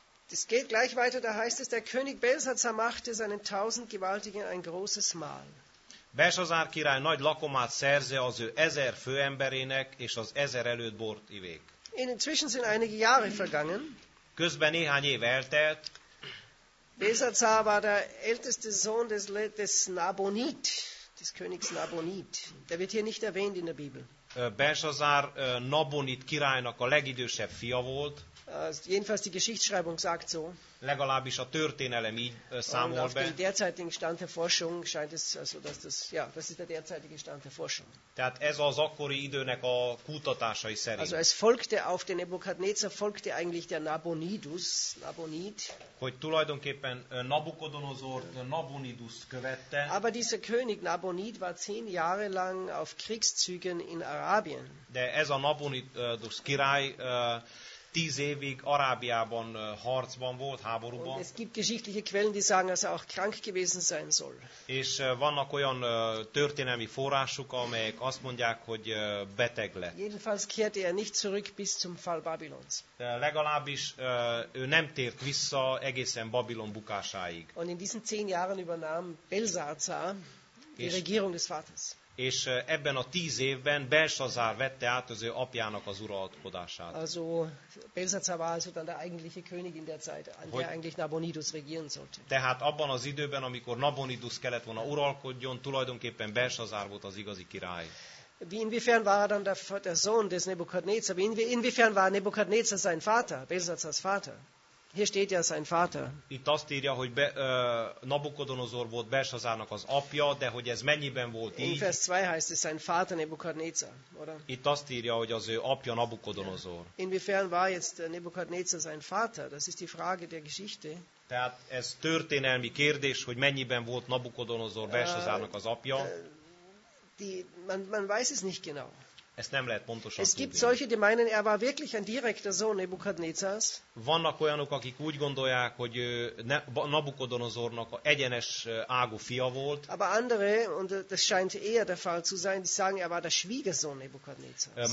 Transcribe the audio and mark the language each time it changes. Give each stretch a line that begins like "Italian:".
German: Es geht gleich weiter, da heißt es, der König Belsazar machte seinen 1000 Gewaltigen ein großes Mahl.
Hungarian: Belsazar király nagy lakomát szerze az ő 1000 főemberének és az 1000 előtt bort ivék.
German: Inzwischen sind einige Jahre vergangen.
Hungarian: Közben néhány év eltelt.
German: Belsazar war der älteste Sohn des Nabonid, des Königs Nabonid. Der wird hier nicht erwähnt in der Bibel.
Hungarian: Belsazar Nabonid királynak a legidősebb fia volt.
German: Jedenfalls die Geschichtsschreibung sagt so.
Hungarian: Legalábbis a történelem így számol be.
German: Auf den derzeitigen Stand der Forschung scheint es, also dass das, ja, das ist der derzeitige Stand der Forschung.
Hungarian: Tehát ez az akkori időnek a kutatásai szerint.
German: Also es folgte auf den Nebukadnezar folgte eigentlich der Nabonidus, Nabonid.
Hungarian: Hogy tulajdonképpen Nabukodonozor Nabonidus követte.
German: Aber dieser König Nabonid war 10 Jahre lang auf Kriegszügen in Arabien.
Hungarian: De ez a Nabonidus király 10 évig Arábiában harcban volt, háborúban.
German: Und es gibt geschichtliche Quellen, die sagen, dass er auch krank gewesen sein soll.
Hungarian: És vannak olyan történelmi források, amelyek azt mondják, hogy beteg lett.
German: Jedenfalls kehrte er nicht zurück bis zum Fall Babylons.
Hungarian: De legalábbis ő nem tért vissza egészen Babilon bukásáig.
German: Und in diesen 10 Jahren übernahm Belsazar die Regierung des Vaters.
Hungarian: és ebben a 10 évben Belsazár vette át az ő apjának az uralkodását.
German: Also Belsazar war also dann der eigentliche König in der Zeit,
Hungarian: hogy,
German: der eigentlich Nabonidus regieren sollte.
Hungarian: Tehát abban az időben, amikor Nabonidus kellett volna uralkodjon, tulajdonképpen Belsazár volt az igazi király.
German: Inwiefern war dann der Sohn des Nebukadnezar, inwiefern war Nebukadnezar sein Vater, Belsazars Vater? Hier steht ja sein Vater.
Hungarian: Itt azt írja, hogy Nabukodonozor volt Belsazárnak az apja, de hogy ez mennyiben volt így.
German: In Vers 2 heißt es sein Vater Nebukadnezar, oder?
Hungarian: Itt azt írja, hogy az ő apja Nabukodonozor.
German: Ja. Inwiefern war jetzt Nebukadnezar sein Vater? Das ist die Frage der Geschichte.
Hungarian: Tehát ez történelmi kérdés, hogy mennyiben volt Nabukodonozor Belsazárnak az apja.
German: Man weiß es nicht genau.
Hungarian: Ezt nem lehet pontosan tudni.
German: Es gibt solche, die meinen, er war wirklich ein direkter Sohn Nebukadnezars.
Hungarian: Vannak olyanok, akik úgy gondolják, hogy Nabukodonozornak egyenes ágú fia volt.
German: Aber andere, und das scheint eher der Fall zu sein, die sagen, er war der Schwiegersohn Nebukadnezars.